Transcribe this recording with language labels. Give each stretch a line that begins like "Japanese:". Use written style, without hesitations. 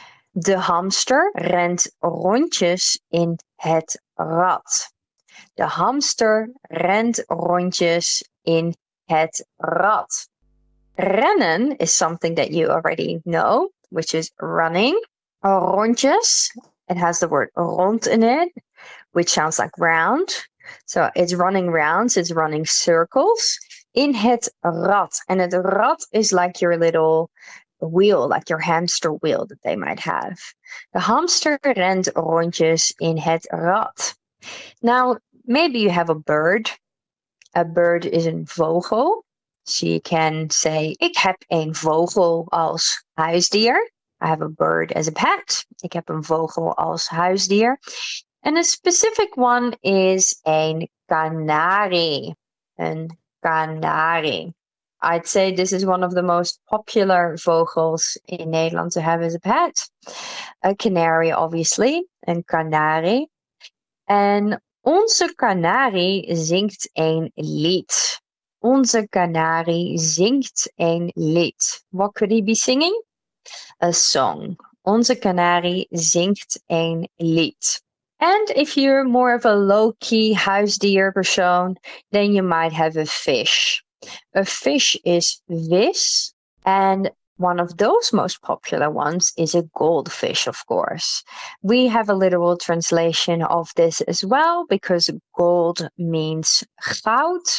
Dutch: De hamster rent rondjes in het rad. De hamster rent rondjes in het rad.
English: Rennen is something that you already know, which is running. Rondjes, it has the word rond in it, which sounds like round. So it's running rounds, it's running circles. In het rad. And het rad is like your little wheel, like your hamster wheel that they might have.
Dutch: The hamster rent rondjes in het rad.
English: Now, maybe you have a bird. A bird is een vogel. So you can say,
Dutch: ik heb een vogel als huisdier.
English: I have a bird as a pet.
Dutch: Ik heb een vogel als huisdier.
English: And a specific one is een kanarie.
Dutch: Een kanarie.
English: I'd say this is one of the most popular vogels in Nederland to have as a pet. A canary, obviously. Een kanarie.
Dutch: En onze kanarie zingt een lied. Onze kanarie zingt een lied.
English: What could he be singing? A song.
Dutch: Onze kanarie zingt een lied.
English: And if you're more of a low-key huisdier persoon, then you might have a fish. A fish is vis. And one of those most popular ones is a goldfish, of course. We have a literal translation of this as well, because gold means goud.